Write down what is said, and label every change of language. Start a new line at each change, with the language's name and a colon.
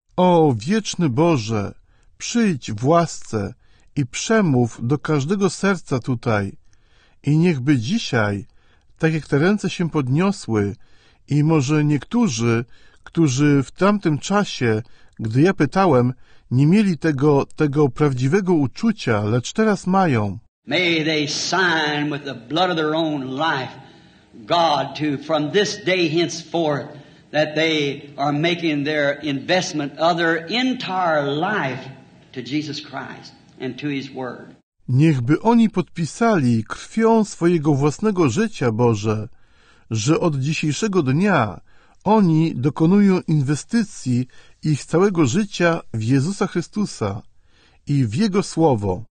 Polish: O wieczny Boże, przyjdź w łasce i przemów do każdego serca tutaj. I niechby dzisiaj, tak jak te ręce się podniosły, i może niektórzy, którzy w tamtym czasie, gdy ja pytałem, nie mieli tego prawdziwego uczucia, lecz teraz mają.
English: May they sign with the blood of their own life, God, to from this day henceforth, that they are making their investment of their entire life to Jesus Christ and to His Word.
Polish: Niechby oni podpisali krwią swojego własnego życia, Boże, że od dzisiejszego dnia oni dokonują inwestycji ich całego życia w Jezusa Chrystusa i w Jego Słowo.